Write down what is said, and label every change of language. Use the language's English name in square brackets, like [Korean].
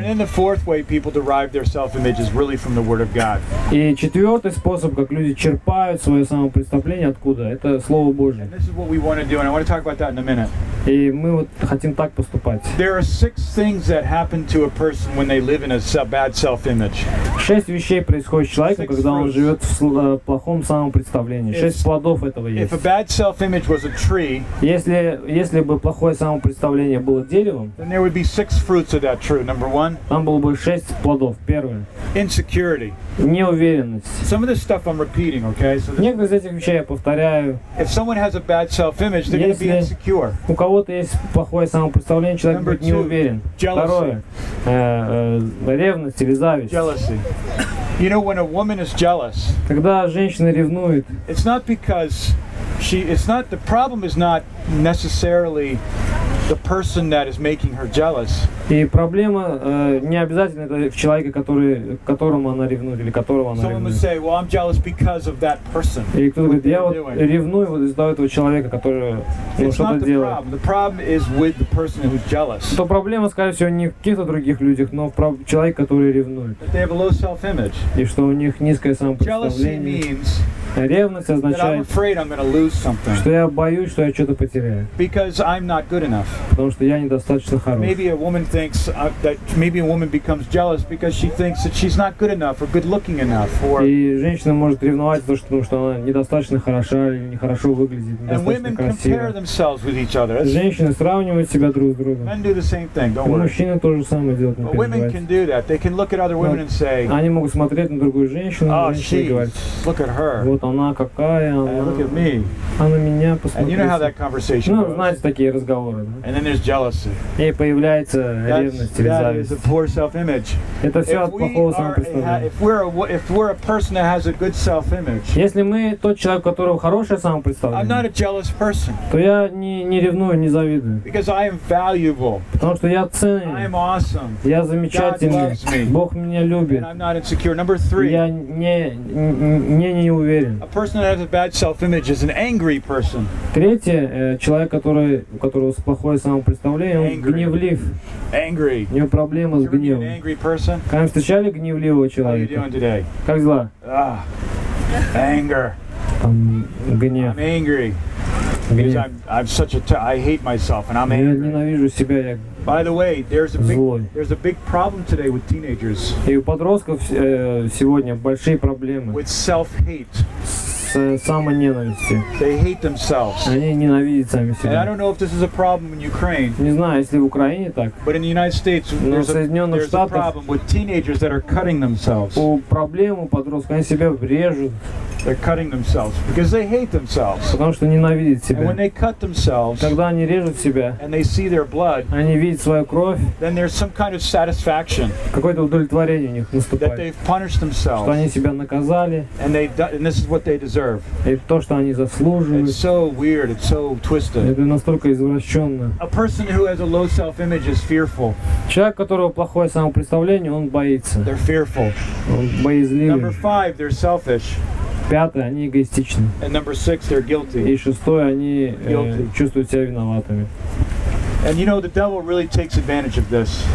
[English] And in the fourth way, people derive their self-image is really from the Word of God. [Russian] И четвертый способ, как люди черпают свое самопредставление откуда? Это Слово Божье. [English] And this is what we want to do, and I want to talk about that in a minute. [Russian] И мы вот хотим так поступать. [English] There are six things that happen to a person when they live in a bad self-image. [Russian] Шесть вещей происходит человеку, когда он живет в плохом самопредставлении. Шесть плодов этого есть. [English] If a bad self-image was a tree, [Russian] если бы плохое самопредставление было деревом, [English] then there would be six fruits of that tree. Number one. [Russian] Там было бы шесть плодов. Первое. [English] Insecurity. [Russian] Неуверенность. [English] Some of this stuff I'm repeating, okay? [Russian] Некоторые из этих вещей я повторяю. [English] If someone has a bad self-image, they're going to be insecure. [Russian] У кого-то есть плохое самопредставление, человек [English] Number [Russian] будет неуверен. Второе. Ревность или зависть. [English] Jealousy. You know, when a woman is jealous, [Russian] когда женщина ревнует, [English] it's not because she, it's not, the problem is not necessarily the person that is making her jealous. [Russian] И проблема не обязательно это в человеке, которому она ревнует или которого она ревнует. [English] Someone would say, well, I'm jealous because of that person. [Russian] И кто-то говорит, я вот ревную вот из-за этого человека, который что-то делает. [English] The problem is with the person who's jealous. [Russian] То проблема, скорее всего, не в каких-то других людях, но в человеке, который ревнует. [English] That they have a low self-image. [Russian] И что у них низкое самопредставление. [English] Jealousy means. [Russian] Ревность означает, что я боюсь, что я что-то потеряю. [English] Because I'm not good enough. [Russian] Потому что я недостаточно хорош. [English] Maybe a woman thinks that maybe a woman becomes jealous because she thinks that she's not good enough or good looking enough. Or... [Russian] И женщина может ревновать, потому что она недостаточно хороша или нехорошо выглядит, недостаточно красива. [English] And women compare themselves with each other. [Russian] Женщины сравнивают себя друг с другом. [English] Men do the same thing. Don't worry. [Russian] Мужчины то же самое делают. [English] But women can do that. They can look at other women and say. [Russian] Они могут смотреть на другую женщину и говорить. [English] Look at her. [Russian] Вот вот она какая, она. [English] And look at me. [Russian] Она меня посмотрит. [English] And you know how that conversation goes. [Russian] Ну, знаете, такие разговоры, да? [English] And then there's jealousy. [Russian] И появляется ревность или зависть. [English] That is a poor self-image. [Russian] Это все от плохого самопредставления. Если мы тот человек, у которого хорошее самопредставление, [English] I'm not a jealous person. [Russian] То я не ревную, не завидую. [English] Because I am valuable. [Russian] Потому что я ценен. [English] I am awesome. [Russian] Я замечательный. [English] God loves me. [Russian] Бог меня любит. [English] And I'm not insecure. Number three. [Russian] Я не уверен. [English] A person that has a bad self-image is an angry person. [Russian] Третье, человек, у которого плохое самопредставление, он гневлив. [English] Angry. [Russian] У него проблемы с гневом. [English] An angry person. [Russian] Когда встречали гневливого человека? [English] How are you doing today? [Russian] Как дела? [English] Ah, anger. [Russian] Гнев. [English] I'm angry. [Russian] Гнев. [English] Because I'm such a I hate myself and I'm angry. [Russian] Я ненавижу себя, я. [English] By the way, there's a big problem today with teenagers. [Russian] И у подростков сегодня большие проблемы. [English] With self-hate. [Russian] С самоненавистью. [English] They hate themselves. [Russian] Они ненавидят сами себя. [English] And I don't know if this is a problem in Ukraine. [Russian] Не знаю, если в Украине так. [English] But in the United States, there's a problem with teenagers that are cutting themselves. [Russian] У проблему подростков, они себя режут. [English] They're cutting themselves because they hate themselves. [Russian] Потому что ненавидят себя. [English] And when they cut themselves, [Russian] когда они режут себя, [English] and they see their blood, [Russian] они видят свою кровь, [English] then there's some kind of satisfaction. [Russian] Какое-то удовлетворение у них наступает. [English] That they've punished themselves. [Russian] Что они себя наказали. [English] And they've done, and this is what they deserve. [Russian] И то, что они заслуживают. [English] It's so weird. It's so twisted. [Russian] Это настолько извращенно. [English] A person who has a low self-image is fearful. [Russian] Человек, у которого плохое самопредставление, он боится. [English] They're fearful. [Russian] Он боязливый. [English] Number five, they're selfish. [Russian] Пятое, они эгоистичны. [English] And number six, they're guilty. [Russian] И шестое, они чувствуют себя виноватыми. [English] And you know, the devil really takes advantage of this.